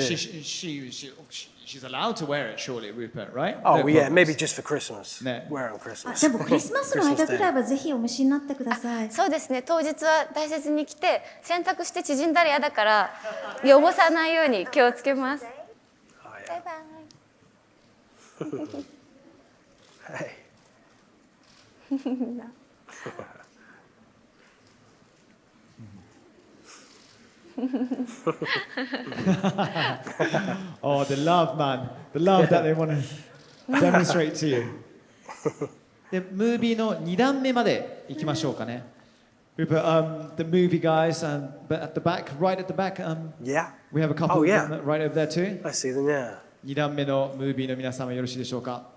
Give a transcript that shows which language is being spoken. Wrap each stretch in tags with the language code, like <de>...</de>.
<en>She's allowed to wear it, surely, Rupert, right? Oh, well, yeah, maybe just for Christmas. Yeah. Wear on Christmas.</en> <ja>でもクリスマスの間くらいはぜひお召しになってください。そうですね。当日は大切に着て、洗濯して縮んだら嫌だから、汚さないように気をつけます。バイバイ。はい。</ja> <en>Oh, the love, man. The love that they want to demonstrate to you. The movie</en> <ja>の2段目まで行きましょうかね。</ja> <en>Rupert, the movie guys, but at the back, right at the back, yeah. We have a couple of them right over there too. I see them, yeah.</en> <ja>2段目のムービーの皆さんはよろしいでしょうか?</ja>